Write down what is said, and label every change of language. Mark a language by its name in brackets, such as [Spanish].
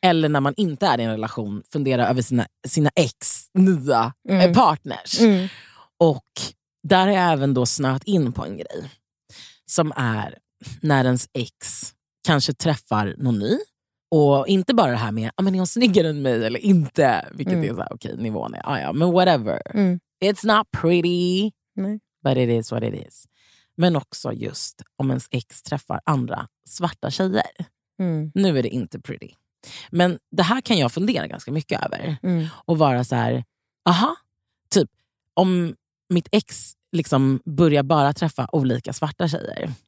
[Swedish] Eller när man inte är i en relation, fundera över sina ex, nya partners. Mm. Och där har jag även då snöat in på en grej. Som är när ens ex kanske träffar någon ny. Och inte bara det här med, men är hon snyggare än mig eller inte? Vilket är såhär, okej, nivån är, men whatever. Mm. [English] It's not pretty, but it is what it is. [Swedish] Men också just om ens ex träffar andra svarta tjejer. Mm. Nu är det inte pretty. Men det här kan jag fundera ganska mycket över. Mm. Och vara så här, aha, typ om mitt ex liksom börjar bara träffa olika svarta tjejer.